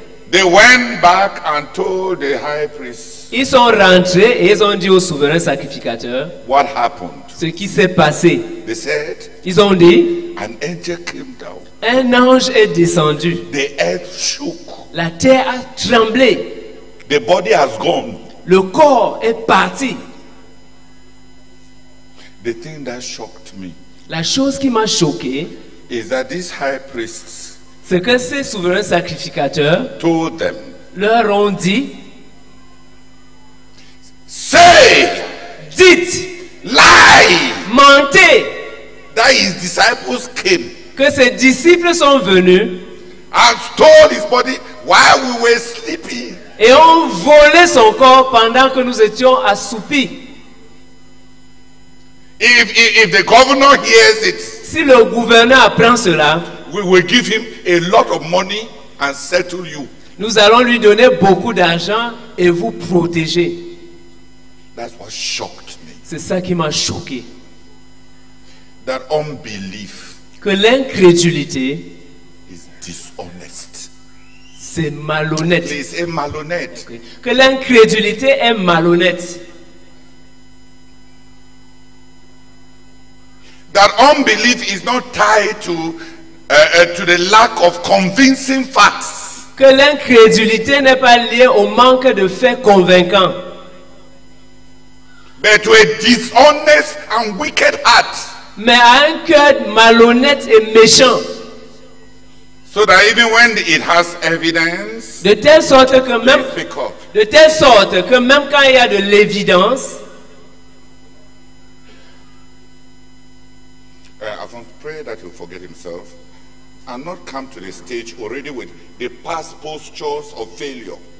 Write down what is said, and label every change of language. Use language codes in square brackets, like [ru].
[en] They went back and told the high priest. [fr] Ils sont rentrés et ils ont dit au souverain sacrificateur [en] what happened? [fr] Ce qui s'est passé. [en] They said, [fr] ils ont dit, [en] an angel came down. [fr] Un ange est descendu. [en] The earth shook. [fr] La terre a tremblé. [en] The body has gone. [fr] Le corps est parti. [en] The thing that shocked me, [fr] la chose qui m'a choqué, [en] is that this high priest, [fr] c'est que ces souverains sacrificateurs, [en] told them, [fr] leur ont dit, [en] say, [fr] dites, [en] lie, [fr] mentez, [en] that his disciples came. [fr] Que ses disciples sont venus [en] and stole his body while we were sleeping. [fr] Et ont volé son corps pendant que nous étions assoupis. [en] If the governor hears it, [fr] si le gouverneur apprend cela, [en] we will give him a lot of money and settle you. [fr] Nous allons lui donner beaucoup d'argent et vous protéger. [en] That's what shocked me. [fr] C'est ça qui m'a choqué. [en] That unbelief. [fr] Que l'incrédulité [en] is dishonest. [fr] C'est malhonnête. [en] Please, [fr] est malhonnête. Okay. Que l'incrédulité est malhonnête. [en] That unbelief is not tied to the lack of convincing facts. [fr] que l'incrédulité n'est pas liée au manque de faits convaincants. [en] But to a dishonest and wicked heart. [fr] Mais à un cœur malhonnête et méchant. [en] So that even when it has evidence, [fr] de telle sorte que même quand il y a de l'évidence, [en] pray that he'll forget himself and not come to the stage already with the past postures of failure.